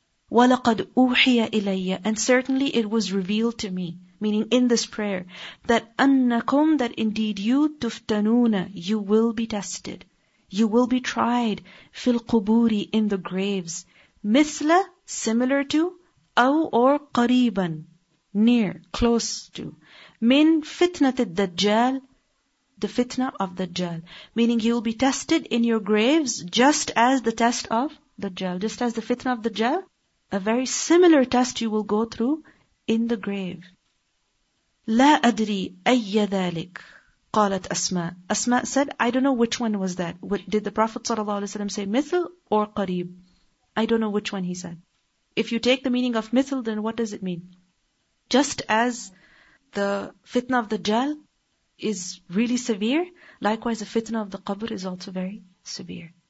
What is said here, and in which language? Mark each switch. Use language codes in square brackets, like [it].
[ar] وَلَقَدْ أُوحِيَ إِلَيَّ, [en] and certainly it was revealed to me, meaning in this prayer, that [ar] أَنَّكُمْ, [en] that indeed you, [ar] تُفْتَنُونَ, [en] you will be tested, you will be tried, [ar] فِي الْقُبُورِ, [en] in the graves, [ar] مِثْلَ, [en] similar to, [ar] أَوْ, [en] or [ar] قَرِيبًا, [en] near, close to, [ar] مِن فِتْنَةِ الدَّجَّالِ, [en] the fitna of the Dajjal, meaning you will be tested in your graves just as the test of the Dajjal, just as the fitna of the Dajjal, a very similar test you will go through in the grave. [ar] لا أدري أي ذلك, قالت أسماء. [en] أسماء said, I don't know which one was that. Did the Prophet ﷺ say مثل or قريب? I don't know which one he said. If you take the meaning of مثل, then what does it mean? Just as the fitna of the Dajjal is really severe, likewise the fitna of the qabr is also very severe.